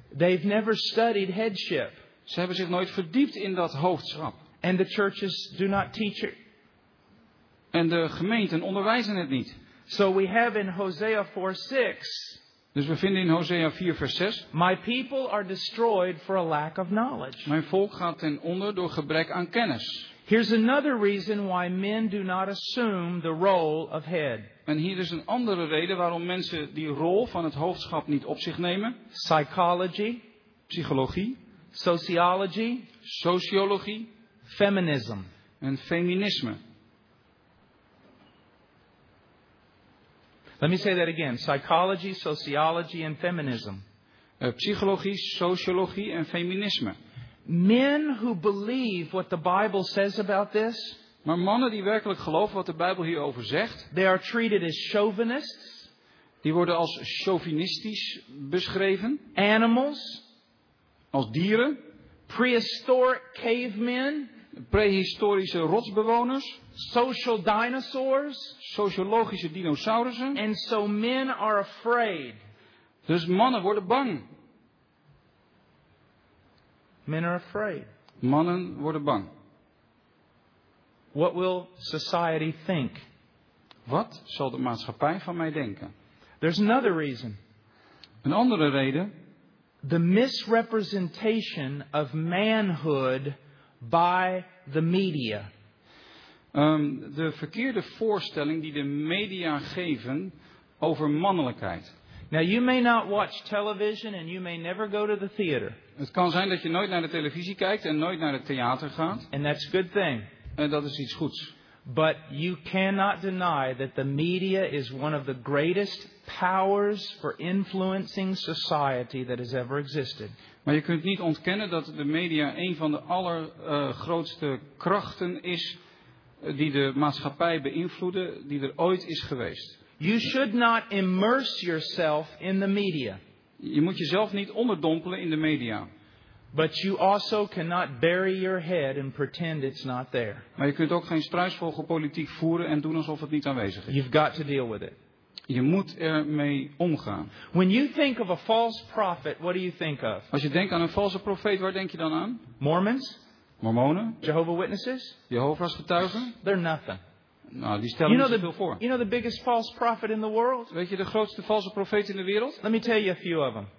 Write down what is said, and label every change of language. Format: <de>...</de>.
<en>They've never studied headship.</en> <nl>Ze hebben zich nooit verdiept in dat hoofdschap.</nl> <en>And the churches do not teach it.</en> <nl>En de gemeenten onderwijzen het niet.</nl> <en>So we have in Hosea 4:6.</en> <nl>Dus we vinden in Hosea 4 vers 6.</nl> <en>My people are destroyed for a lack of knowledge.</en> <nl>Mijn volk gaat ten onder door gebrek aan kennis.</nl> <en>Here's another reason why men do not assume the role of head.</en> <nl>En hier is een andere reden waarom mensen die rol van het hoofdschap niet op zich nemen.</nl> <en>Psychology.</en> <nl>Psychologie.</nl> <en>Sociology.</en> <nl>Sociologie.</nl> <en>Feminism.</en> <nl>En feminisme.</nl> <en>Let me say that again. Psychology, sociology and feminism.</en> <nl>Psychologie, sociologie en feminisme.</nl> <en>Men who believe what the Bible says about this.</en> <nl>Maar mannen die werkelijk geloven wat de Bijbel hierover zegt.</nl> <en>They are treated as chauvinists.</en> <nl>Die worden als chauvinistisch beschreven.</nl> <en>Animals.</en> <nl>Als dieren.</nl> <en>Prehistoric cavemen.</en> <nl>Prehistorische rotsbewoners.</nl> <en>Social dinosaurs.</en> <nl>Sociologische dinosaurussen.</nl> <en>And so men are afraid.</en> <nl>Dus mannen worden bang.</nl> <en>Men are afraid.</en> <nl>Mannen worden bang.</nl> <en>What will society think?</en> <nl>Wat zal de maatschappij van mij denken?</nl> <en>There's another reason.</en> <nl>Een andere reden.</nl> <en>The misrepresentation of manhood by the media.</en> <nl>De verkeerde voorstelling die de media geven over mannelijkheid.</nl> <en>Now you may not watch television and you may never go to the theater.</en> <nl>Het kan zijn dat je nooit naar de televisie kijkt en nooit naar het theater gaat.</nl> <en>And that's a good thing.</en> <nl>En dat is iets goeds.</nl> <en>But you cannot deny that the media is one of the greatest powers for influencing society that has ever existed.</en> <nl>Maar je kunt niet ontkennen dat de media een van de allergrootste krachten is die de maatschappij beïnvloeden die er ooit is geweest.</nl> <en>You should not immerse yourself in the media.</en> <nl>Je moet jezelf niet onderdompelen in de media.</nl> <en>But you also cannot bury your head and pretend it's not there.</en> <nl>Maar je kunt ook geen struisvogelpolitiek voeren en doen alsof het niet aanwezig is.</nl> <en>You've got to deal with it.</en> <nl>Je moet ermee omgaan.</nl> <en>When you think of a false prophet, what do you think of?</en> <nl>Als je denkt aan een valse profeet, waar denk je dan aan?</nl> <en>Mormons?</en> <nl>Mormonen?</nl> <en>Jehovah's Witnesses?</en> <nl>Jehovah's getuigen?</nl> <en>They're nothing.</en> <nl>Nou, die stellen niet zoveel voor.</nl> <en>You know the biggest false prophet in the world?</en> <nl>Weet je de grootste valse profeet in de wereld?</nl> <en>Let me tell you a few of them.</en>